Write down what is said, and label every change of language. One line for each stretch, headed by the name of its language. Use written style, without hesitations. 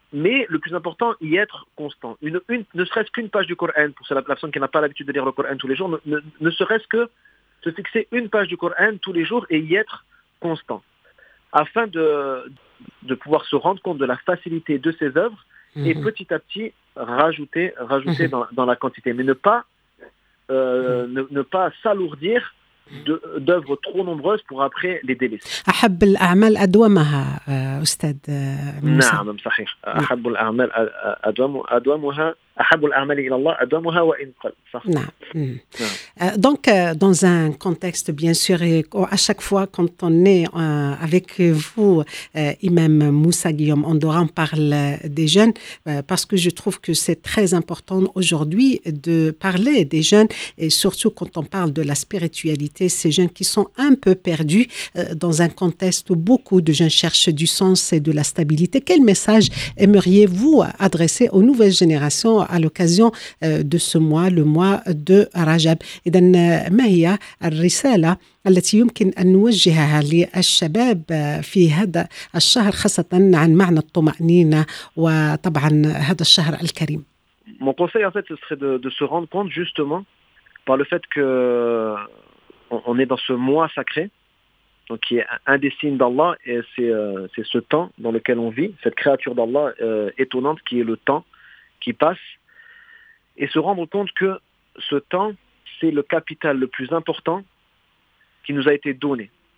French: Mais le plus important, y être constant. Une, ne serait-ce qu'une page du Coran, pour la personne qui n'a pas l'habitude de lire le Coran tous les jours, ne serait-ce que se fixer une page du Coran tous les jours et y être constant, afin de pouvoir se rendre compte de la facilité de ses œuvres et petit à petit rajouter dans la quantité. Mais ne pas s'alourdir d'œuvres trop nombreuses pour après les délaisser.
Arabic: أحب الأعمال أدومها أستاذ نعم صحيح أحب الأعمال أدومها أحب الأعمال إلى الله أدومها وإن قل صحيح
French: نعم donc dans un contexte bien sûr à chaque fois quand on est avec vous Imam Moussa Guillaume Andorra, on parle des jeunes parce que je trouve que c'est très important aujourd'hui de parler des jeunes et surtout quand on parle de la spiritualité, ces jeunes qui sont un peu perdus dans un contexte où beaucoup de jeunes cherchent du sens et de la stabilité. Quel message aimeriez-vous adresser aux nouvelles générations à l'occasion de ce mois, le mois de Rajab? Et donc, ma
Arabic: هي الرسالة التي يمكن أن نوجهها للشباب في هذا الشهر خاصة عن معنى الطمأنينة وطبعا هذا الشهر الكريم.
French: Mon conseil en fait ce serait de se rendre compte justement par le fait que on est dans ce mois sacré. Donc, qui est un des signes d'Allah, et c'est ce temps dans lequel on vit, cette créature d'Allah étonnante qui est le temps qui passe, et se rendre compte que ce temps, c'est le capital le plus important qui nous a été donné.